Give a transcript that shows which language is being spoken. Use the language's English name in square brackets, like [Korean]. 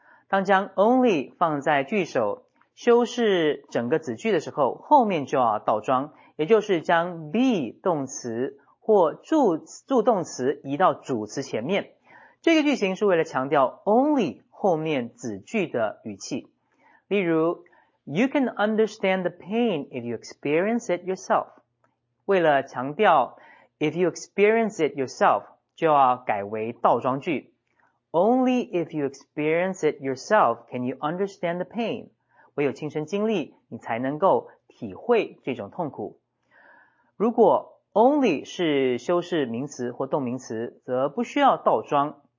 [Chinese] 当将 only 放在句首修饰整个子句的时候，后面就要倒装，也就是将 be 动词或 助动词移到主词前面。这个句型是为了强调 only 后面子句的语气。例如 [English] ,You can understand the pain if you experience it yourself. [Chinese] 为了强调 [English] if you experience it yourself, [Chinese] 就要改为倒装句。 [English] Only if you experience it yourself can you understand the pain. [Chinese] 唯有亲身经历你才能够体会这种痛苦。如果 only 是修饰名词或动名词，则不需要倒装。